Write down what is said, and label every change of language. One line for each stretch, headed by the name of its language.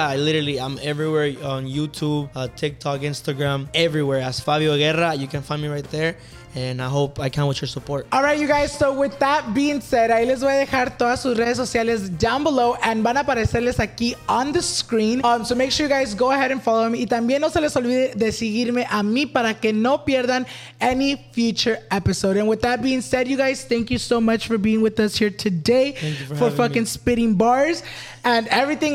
English: I'm everywhere on YouTube, TikTok, Instagram, everywhere as Fabio Guerra. You can find me right there. And I hope I count with your support. All right, you guys. So with that being said,
Spanish: ahí les voy a dejar todas sus redes sociales
English: down below and
Spanish: van a aparecerles aquí
English: on the screen. So make sure you guys go ahead and follow me.
Spanish: Y también no se les olvide de seguirme a mí para que no pierdan
English: any future episode. And with that being said, you guys, thank you so much for being with us here today. Thank you for fucking me. Spitting bars and everything.